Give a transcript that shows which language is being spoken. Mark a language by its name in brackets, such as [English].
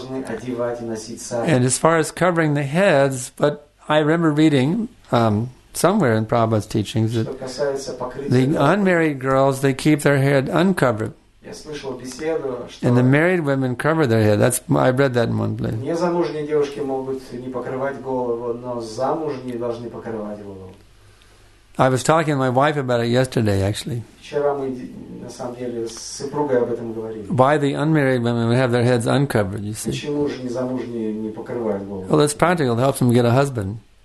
[English] And as far as covering the heads, but I remember reading somewhere in Prabhupada's teachings that the unmarried girls, they keep their head uncovered. And the married women cover their head. That's, I've read that in one place. [Russian] Незамужние девушки могут не покрывать голову, но замужние должны покрывать голову. [English] I was talking to my wife about it yesterday, actually. Why the unmarried women would have their heads uncovered, you see. Well, that's practical. It helps them get a husband.